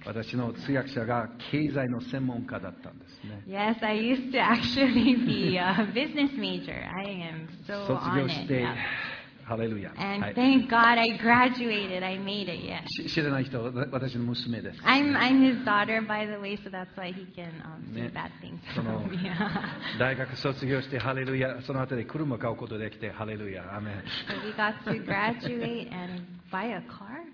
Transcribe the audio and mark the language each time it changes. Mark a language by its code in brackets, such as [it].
[ja] 私の通訳者が経済の専門家だったんですね。 [en] Yes, I used to actually be a business major. I am so on it. [ja] 卒業して、ハレルヤ。 [en] And thank God I graduated. I made it. Yes. [ja] 知らない人、私の娘です。 [en] I'm his daughter, by the way, so that's why he can say bad things about me. [ja] 大学卒業してハレルヤ。その後で車買うことできてハレルヤ。アメン。 [en] So we got to graduate and buy a car.